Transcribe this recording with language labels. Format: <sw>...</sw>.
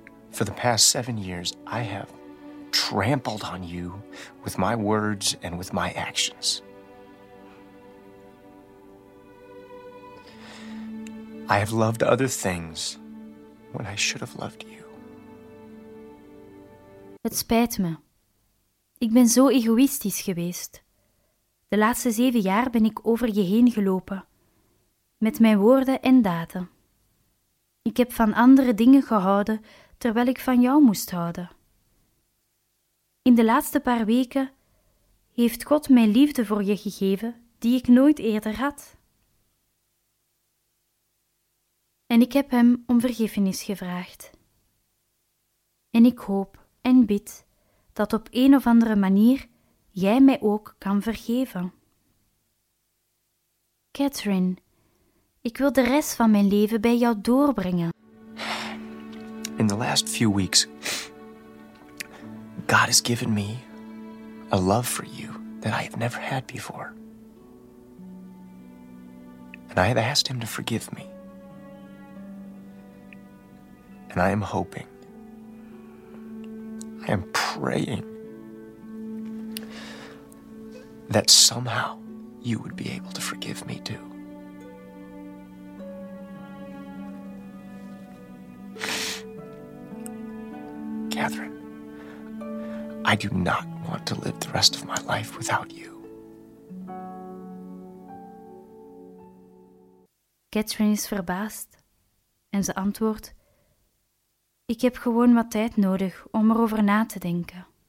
<en>For the past 7 years, I have trampled on you with my words and with my actions. I have loved other things when I should have loved you.</en> <nl>Het spijt me. Ik ben zo egoïstisch geweest. De laatste 7 jaar ben ik over je heen gelopen, met mijn woorden en daden. Ik heb van andere dingen gehouden terwijl ik van jou moest houden. In de laatste paar weken heeft God mij liefde voor je gegeven die ik nooit eerder had. En ik heb hem om vergiffenis gevraagd. En ik hoop en bid dat op een of andere manier jij mij ook kan vergeven. Catherine, ik wil de rest van mijn leven bij jou doorbrengen.</nl> <en>In the last few weeks, God has given me a love for you that I have never had before. And I have asked him to forgive me. And I am hoping, I am praying that somehow you would be able to forgive me too. Catherine, I do not want to live the rest of my life without you.</en> <nl>Catherine is verbaasd en ze antwoordt: ik heb gewoon wat tijd nodig om erover na te denken.</nl>